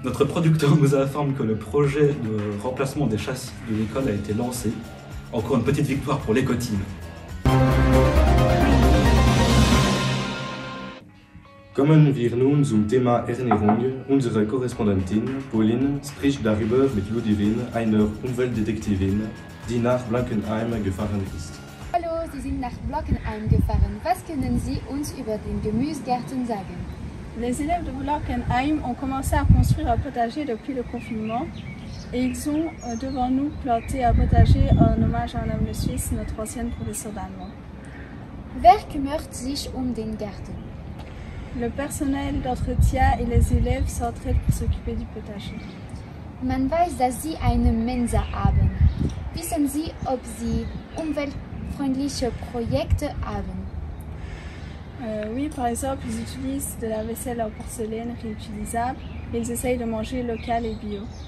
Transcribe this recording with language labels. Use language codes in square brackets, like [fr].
[fr] Notre producteur nous informe que le projet de remplacement des châssis de l'école a été lancé. Encore une petite victoire pour l'éco-team. [de] Kommen wir nun zum Thema Ernährung. Unsere Korrespondentin, Pauline, spricht darüber mit Ludivine, einer Umweltdetektivin, die nach Blankenheim gefahren ist. Hallo, Sie sind nach Blankenheim gefahren. Was können Sie uns über den Gemüsegarten sagen? [fr] Les élèves de Blankenheim ont commencé à construire un potager depuis le confinement et ils ont devant nous planté un potager en hommage à un homme suisse, notre ancienne professeure d'allemand. [de] Wer kümmert sich den Garten? [fr] Le personnel d'entretien et les élèves s'entraident pour s'occuper du potager. [de] Man weiß, dass sie eine Mensa haben. Wissen Sie, ob sie umweltfreundliche Projekte haben? [fr] Oui, par exemple, ils utilisent de la vaisselle en porcelaine réutilisable et ils essayent de manger local et bio.